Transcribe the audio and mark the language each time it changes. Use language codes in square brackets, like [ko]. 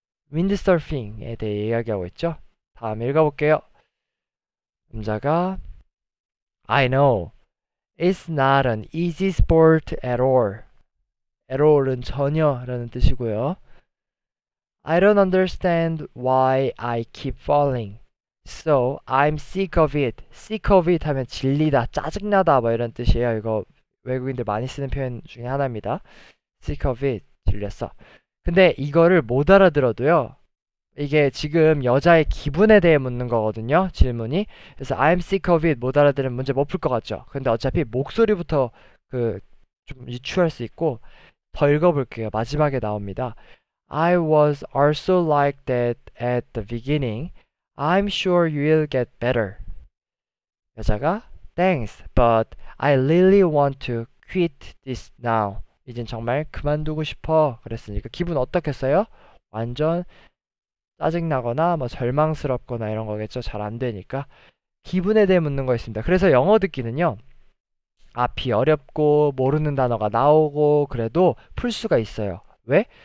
[ko] 윈드서핑에 대해 이야기하고 있죠. 다음 읽어볼게요. 남자가 [en] I know it's not an easy sport at all. [ko] At all은 전혀라는 뜻이고요. [en] I don't understand why I keep falling. So I'm sick of it. Sick of it [ko] 하면 질리다, 짜증나다 뭐 이런 뜻이에요. 이거 외국인들 많이 쓰는 표현 중에 하나입니다. [en] Sick of it. [ko] 질렸어. 근데 이거를 못 알아들어도요. 이게 지금 여자의 기분에 대해 묻는 거거든요. 질문이. 그래서 [en] I'm sick of it [ko] 못 알아들으면 문제 못풀것 같죠. 근데 어차피 목소리부터 그좀 유추할 수 있고 더 읽어볼게요. 마지막에 나옵니다. [en] I was also like that at the beginning. I'm sure you'll get better. 여자가 Thanks, but I really want to quit this now. [ko] 이젠 정말 그만두고 싶어. 그랬으니까 기분 어떻겠어요? 완전 짜증나거나 뭐 절망스럽거나 이런 거겠죠. 잘안 되니까. 기분에 대해 묻는 거 있습니다. 그래서 영어 듣기는요. 앞이 어렵고 모르는 단어가 나오고 그래도 풀 수가 있어요. 왜?